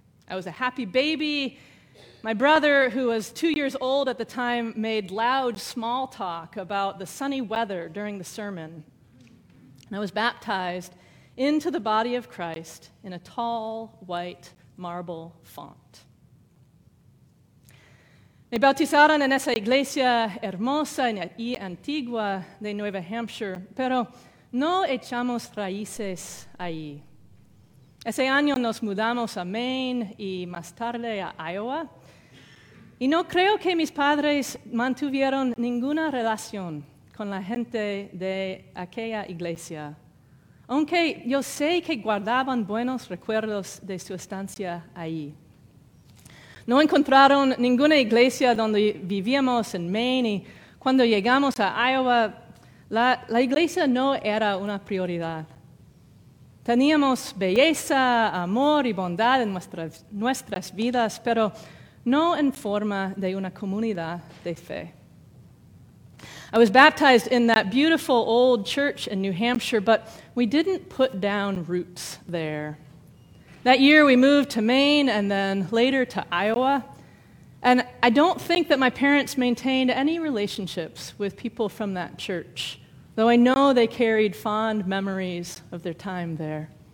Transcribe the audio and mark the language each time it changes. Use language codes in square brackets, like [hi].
[en] I was a happy baby. My brother, who was 2 years old at the time, made loud small talk about the sunny weather during the sermon. And I was baptized into the body of Christ in a tall white marble font. [es] Me bautizaron en esa iglesia hermosa y antigua de Nueva Hampshire, pero no echamos raíces ahí. Ese año nos mudamos a Maine y más tarde a Iowa. Y no creo que mis padres mantuvieron ninguna relación con la gente de aquella iglesia, aunque yo sé que guardaban buenos recuerdos de su estancia ahí. No encontraron ninguna iglesia donde vivíamos en Maine, y cuando llegamos a Iowa, la iglesia no era una prioridad. Teníamos belleza, amor y bondad en nuestras vidas, pero no en forma de una comunidad de fe. [en] I was baptized in that beautiful old church in New Hampshire, but we didn't put down roots there. That year we moved to Maine and then later to Iowa, and I don't think that my parents maintained any relationships with people from that church, though I know they carried fond memories of their time there.